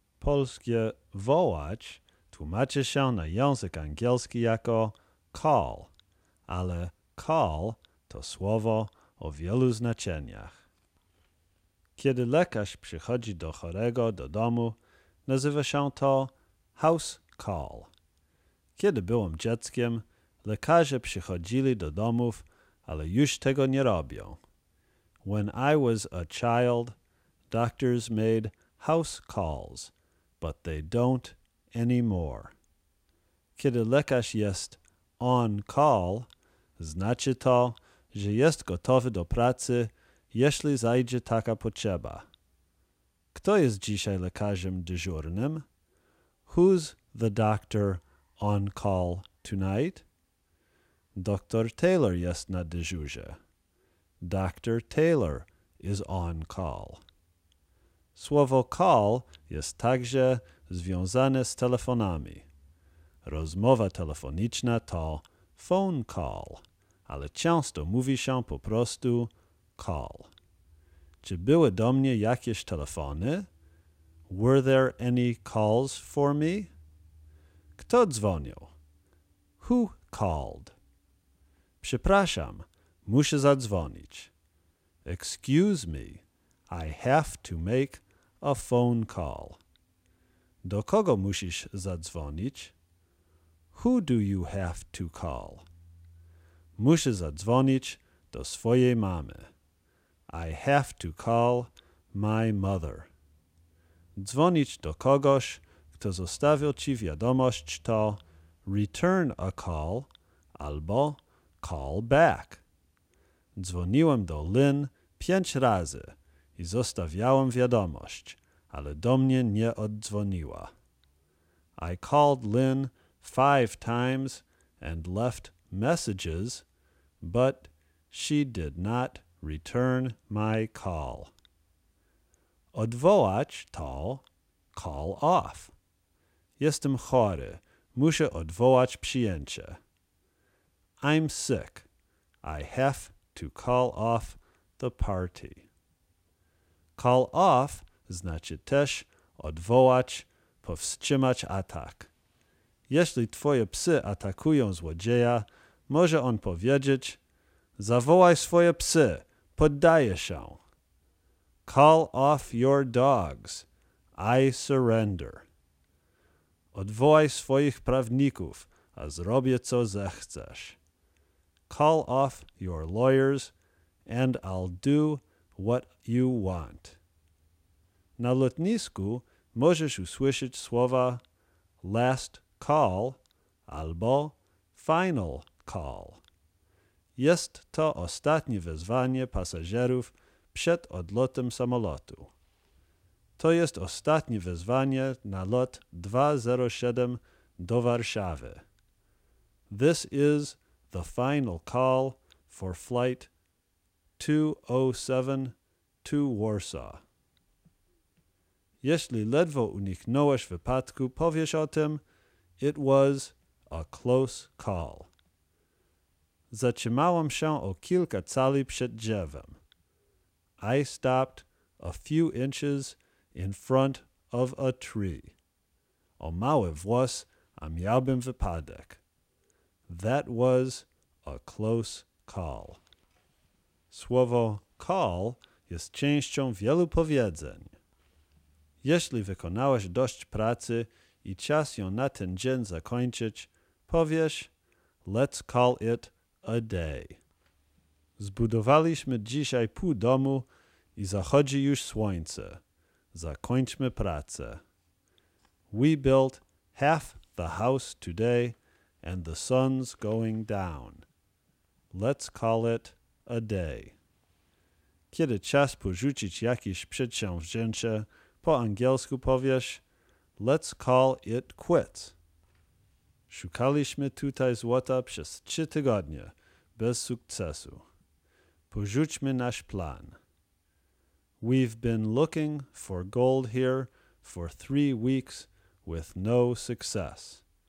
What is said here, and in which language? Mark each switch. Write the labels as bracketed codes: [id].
[pl] polskie wołać tłumaczy się na język angielski jako call, ale call to słowo o wielu znaczeniach. Kiedy lekarz przychodzi do chorego do domu, nazywa się to house call. Kiedy byłem dzieckiem, lekarze przychodzili do domów, ale już tego nie robią. [en] When I was a child, doctors made house calls, but they don't anymore. [pl] Kiedy lekarz jest on call, znaczy to, że jest gotowy do pracy, jeśli zajdzie taka potrzeba. Kto jest dzisiaj lekarzem dyżurnym? [en] Who's the doctor on call tonight? [pl] Dr. Taylor jest na dyżurze. Dr. [en] Taylor is on call. [pl] Słowo call jest także związane z telefonami. Rozmowa telefoniczna to phone call, ale często mówi się po prostu call. Czy były do mnie jakieś telefony? [en] Were there any calls for me? [pl] Kto dzwonił? [en] Who called? [pl] Przepraszam, muszę zadzwonić. [en] Excuse me, I have to make a phone call. [pl] Do kogo musisz zadzwonić? [en] Who do you have to call? [pl] Muszę zadzwonić do swojej mamy. [en] I have to call my mother. [pl] Dzwonić do kogoś, kto zostawił ci wiadomość, to [en] return a call [pl] albo [en] call back. [pl] Dzwoniłem do Lynn 5 razy i zostawiałem wiadomość, ale do mnie nie oddzwoniła. [en] I called Lynn 5 times and left messages, but she did not return my call. [pl] Odwołać to call off. Jestem chory, muszę odwołać przyjęcie. [en] I'm sick, I have to call off the party. [pl] Call off znaczy też odwołać, powstrzymać atak. Jeśli twoje psy atakują złodzieja, może on powiedzieć: zawołaj swoje psy, poddaję się. [en] Call off your dogs, I surrender. [pl] Odwołaj swoich prawników, a zrobię co zechcesz. [en] Call off your lawyers, and I'll do what you want. [pl] Na lotnisku możesz usłyszeć słowa last call albo final call. Jest to ostatnie wezwanie pasażerów przed odlotem samolotu. To jest ostatnie wezwanie na lot 207 do Warszawy. [en] This is the final call for flight 207 to Warsaw. [pl] Jeśli ledwo uniknąłeś wypadku, powiesz o tym: [en] it was a close call. [pl] Zatrzymałem się o kilka cali przed drzewem. [en] I stopped a few inches in front of a tree. [pl] O mały włos, a miałbym wypadek. [en] That was a close call. [pl] Słowo call jest częścią wielu powiedzeń. Jeśli wykonałeś dość pracy i czas ją na ten dzień zakończyć, powiesz: [en] let's call it a day. [pl] Zbudowaliśmy dzisiaj pół domu i zachodzi już słońce. Zakończmy pracę. [en] We built half the house today and the sun's going down. Let's call it a day. [pl] Kiedy czas porzucić jakieś przedsięwzięcie, po angielsku powiesz: [en] let's call it quits. [pl] Szukaliśmy tutaj złota przez 3 tygodnie, bez sukcesu. Porzućmy nasz plan. [en] We've been looking for gold here for 3 weeks with no success.